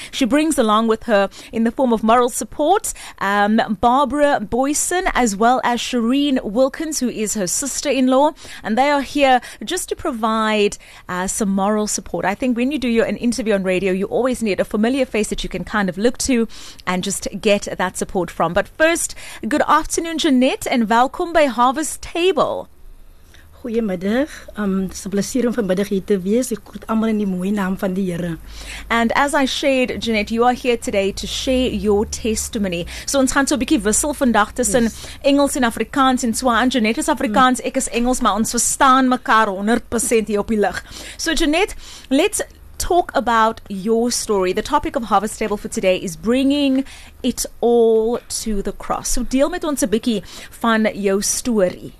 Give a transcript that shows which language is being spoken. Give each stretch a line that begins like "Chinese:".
English: She brings along with her in the form of moral support, Barbara Boyson, as well as Shireen Wilkins, who is her sister-in-law, and they are here just to provide some moral support. I think when you do an interview on radio, you always need a familiar face that you can kind of look to and just get that support from. But first, good afternoon, Jeanette, and welcome by Harvest Table.
Afrikaans: Goeiemiddag. Dis 'n plesier om vanmiddag hier te wees. Ek groet almal in die mooi naam van die Here.
English: And as I shared, Jeanette, you are here today to share your testimony.
Afrikaans: So ons gaan so 'n bietjie wissel vandag tussen Engels en Afrikaans en so aan. Jeanette is Afrikaans, ek is Engels, maar ons verstaan mekaar 100% hier op die lig.
English: So Jeanette, let's talk about your story. The topic of Harvest Table for today is bringing it all to the cross.
Afrikaans: So deel met ons 'n bietjie van jou storie.